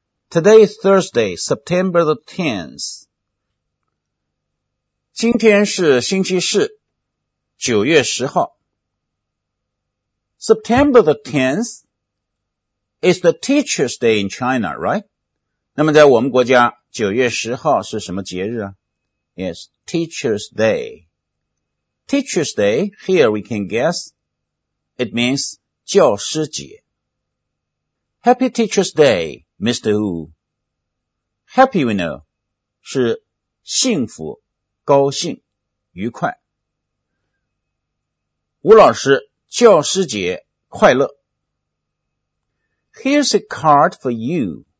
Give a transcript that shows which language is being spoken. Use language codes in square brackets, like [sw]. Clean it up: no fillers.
[en] Today is Thursday, September the 10th. [zh] 今天是星期四，9月10号。 [en] September the 10th is the Teacher's Day in China, right? [zh] 那么在我们国家9月10号是什么节日啊？ [en] Yes, Teacher's Day. Teacher's Day, here we can guess, it means [zh] 教师节。 [en] Happy Teacher's Day, Mr. Wu. Happy, we know, [zh] 是幸福、高兴、愉快。吴老师，教师节快乐。 [en] Here's a card for you.